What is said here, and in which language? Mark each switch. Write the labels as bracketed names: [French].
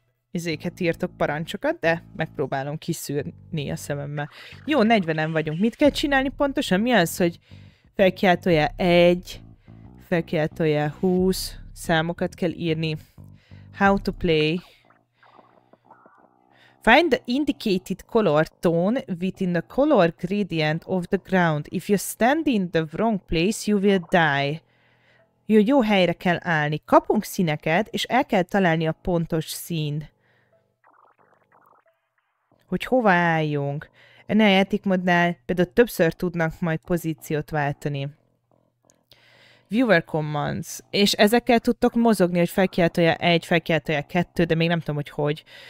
[Hungarian] izéket írtok, parancsokat, de megpróbálom kiszűrni a szememmel. Jó, 40-en vagyunk. Mit kell csinálni pontosan? Mi az, hogy felkiáltójel 1, felkiáltójel 20, számokat kell írni. [English] How to play. Find the indicated color tone within the color gradient of the ground. If you stand in the wrong place, you will die. [Hungarian] Jó helyre kell állni. Kapunk színeket, és el kell találni a pontos színt. Hogy hova álljunk. Ennél a játékmodnál például többször tudnak majd pozíciót váltani. Viewer commands. És ezekkel tudtok mozogni, hogy felkiáltója 1, felkiáltója 2, de még nem tudom, hogy.